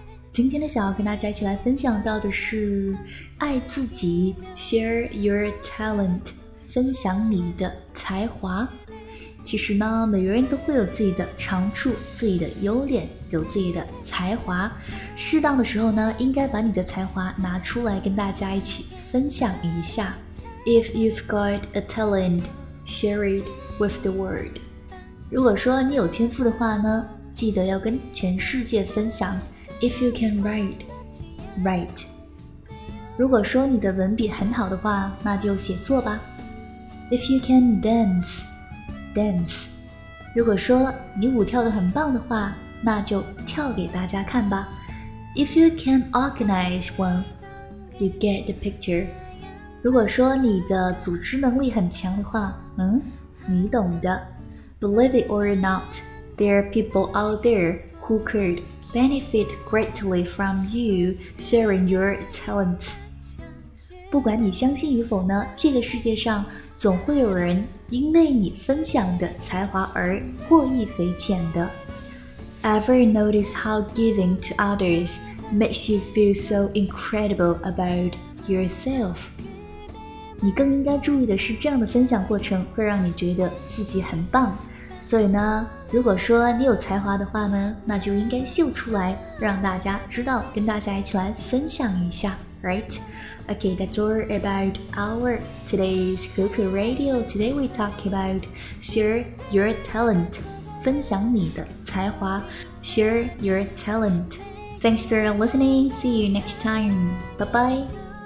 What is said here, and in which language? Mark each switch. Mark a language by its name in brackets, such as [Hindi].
[Chinese] 今天呢，想要跟大家一起来分享到的是爱自己 [English] share your talent， [Chinese] 分享你的才华。其实呢，每个人都会有自己的长处，自己的优点，有自己的才华。适当的时候呢，应该把你的才华拿出来跟大家一起分享一下。 [English] If you've got a talent, share it with the world. [Chinese] 如果说你有天赋的话呢，记得要跟全世界分享。 [English] If you can write, write. [Chinese] 如果说你的文笔很好的话，那就写作吧。 [English] If you can dance, dance. [Chinese] 如果说你舞跳得很棒的话，那就跳给大家看吧。 [English] If you can organize one, you get the picture. [Chinese] 如果说你的组织能力很强的话，你懂的。 [English] Believe it or not, there are people out there who could benefit greatly from you sharing your talents. [Chinese] 不管你相信与否呢，这个世界上总会有人因为你分享的才华而获益匪浅的。 [English] Ever notice how giving to others makes you feel so incredible about yourself? [Chinese] 你更应该注意的是，这样的分享过程会让你觉得自己很棒。所以呢，如果说你有才华的话呢，那就应该秀出来，让大家知道，跟大家一起来分享一下 ，right? [English] Okay, that's all about our today's Keke Radio. Today we talk about share your talent, [Chinese] 分享你的才华 [English] ，share your talent. Thanks for listening. See you next time. Bye bye.